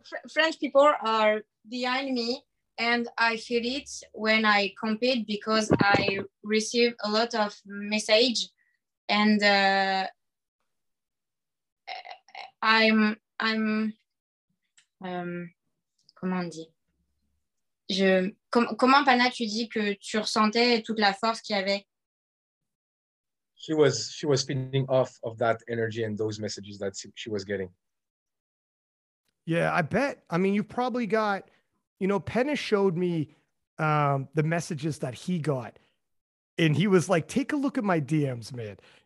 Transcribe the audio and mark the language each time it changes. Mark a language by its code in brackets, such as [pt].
[en] French people are behind me, and I feel it when I compete because I receive a lot of message, and [fr] comment on dit? Comment Pana, tu dis que tu ressentais toute la force qu'il y avait? [en] She was feeding off of that energy and those messages that she was getting. Yeah, I bet. I mean, you've probably got, you know, Pana showed me the messages that he got, and he was like, take a look at my DMs, man.